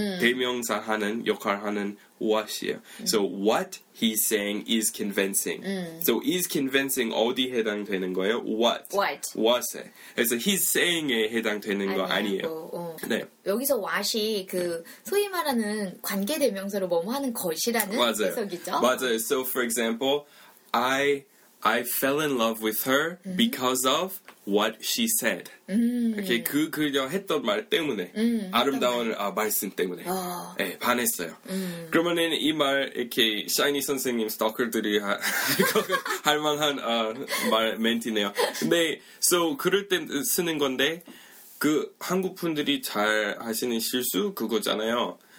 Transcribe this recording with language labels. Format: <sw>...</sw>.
<ko>대명사 하는 역할 하는 what이에요.</ko> <en>So what he's saying is convincing. So is convincing</en> <ko>어디 해당되는 거예요?</ko> <en>What? What?</en> <ko>What에. 그래서 he's saying에 해당되는 거 아니에요. 네. 여기서 what이 그 소위 말하는 관계 대명사로 뭐뭐 하는 것이라는 맞아요. 해석이죠. 맞아요.</ko> <en>So for example, I fell in love with her because of what she said.</en> <ko>Okay, 그녀 했던 말 때문에 아름다운 말씀 때문에 네, 반했어요. 그러면은 이 말 이렇게 샤이니 선생님 스토커들이 할 만한 말 멘트네요. 근데 so 그럴 때 쓰는 건데 그 한국 분들이 잘 하시는 실수 그거잖아요.</ko>